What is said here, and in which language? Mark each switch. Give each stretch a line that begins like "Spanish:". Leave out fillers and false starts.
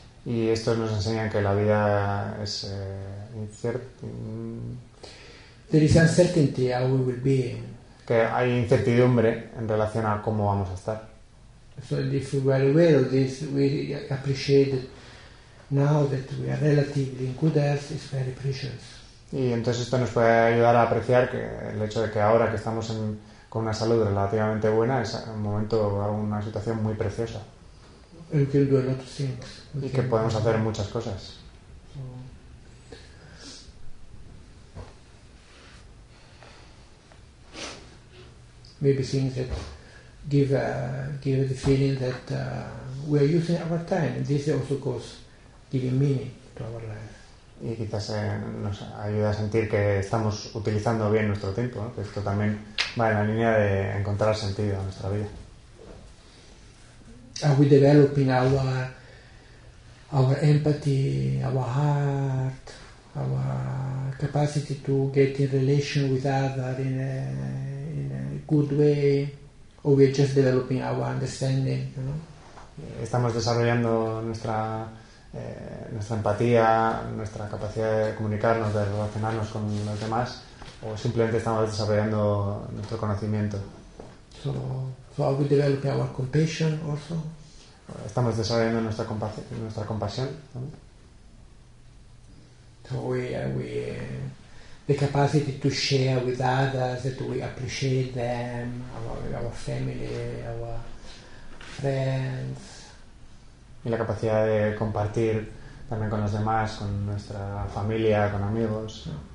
Spanish: Y estos nos enseñan que la vida es incierta.
English: There is uncertainty how we will be.
Spanish: Que hay incertidumbre en relación a cómo vamos a estar.
English: So if we are aware of this, we appreciate that. Now that we are relatively in good health, it's very precious.
Spanish: Y entonces esto nos puede ayudar a apreciar que el hecho de que ahora que estamos con una salud relativamente buena es un momento, una situación muy preciosa.
English: And we can do a lot of things.
Spanish: Y que podemos hacer muchas cosas.
English: maybe things that give the feeling that we are using our time. And this also goes giving meaning to our life.
Spanish: Y quizás nos ayuda a sentir que estamos utilizando bien nuestro tiempo, ¿no? Que esto también va en la línea de encontrar sentido a nuestra vida.
English: Are we developing our empathy, our heart, our capacity to get in relation with others in a good way, or we are just developing our understanding, you know?
Spanish: Estamos desarrollando nuestra empatía, nuestra capacidad de comunicarnos, de relacionarnos con los demás, o simplemente estamos desarrollando nuestro conocimiento.
English: So are we developing our compassion also?
Spanish: Estamos desarrollando nuestra compasión, ¿no?
English: So we the capacity to share with others, that we appreciate them, our family, our friends.
Spanish: Y la capacidad de compartir también con los demás, con nuestra familia, con amigos.